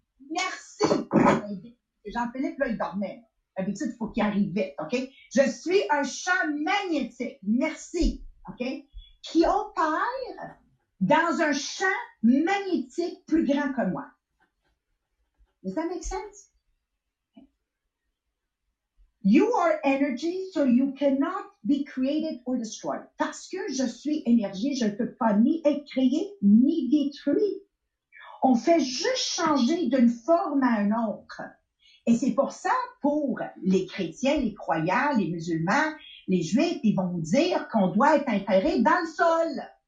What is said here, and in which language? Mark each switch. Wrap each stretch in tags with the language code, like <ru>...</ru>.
<fr>Merci. Jean-Philippe, là, il dormait. D'habitude, il faut qu'il arrive vite, OK? Je suis un champ magnétique. Merci. OK? Qui opère dans un champ magnétique plus grand que moi.</fr> <en>Does that make sense? You are energy, so you cannot be created or destroyed.</en> <fr>Parce que je suis énergie, je ne peux pas ni être créé, ni détruit. On fait juste changer d'une forme à une autre. Et c'est pour ça, pour les chrétiens, les croyants, les musulmans, les juifs, ils vont dire qu'on doit être enterré dans le sol.</fr>